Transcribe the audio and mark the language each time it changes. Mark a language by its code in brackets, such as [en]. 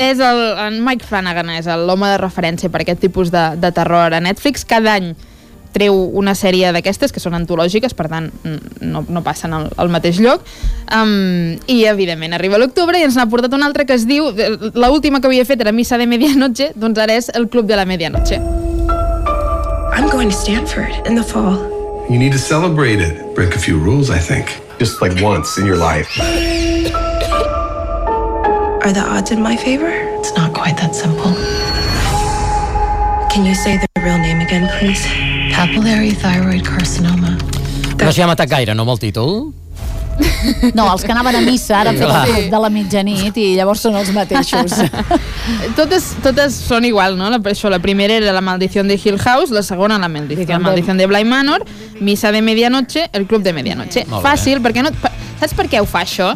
[ca] És el Mike Flanagan és l'home de referència per aquest tipus de terror a Netflix. Cada any treu una sèrie d'aquestes, que són antològiques, per tant, no passen al mateix lloc. I, evidentment, arriba l'octubre i ens n'ha portat una altra que es diu... L'última que havia fet era Missa de Medianoche, doncs ara és El Club de la Medianoche. [en] I'm going to Stanford in the fall. You need to celebrate it. Break a few rules, I think. Just like once in your life. Are the odds in my favor? It's not quite that simple. Can you say the real name again, please? Papillary thyroid carcinoma. [ca] No s'hi ha matat gaire, no, amb el títol? No, els que anaven a missa ara fet de la mitjanit i llavors són els mateixos. Totes són igual, no? La primera era La Maldición de Hill House, la segona la Maldición de Bly Manor, Misa de Medianoche, El Club de Medianoche. Fàcil, perquè no... Saps per què ho fa això?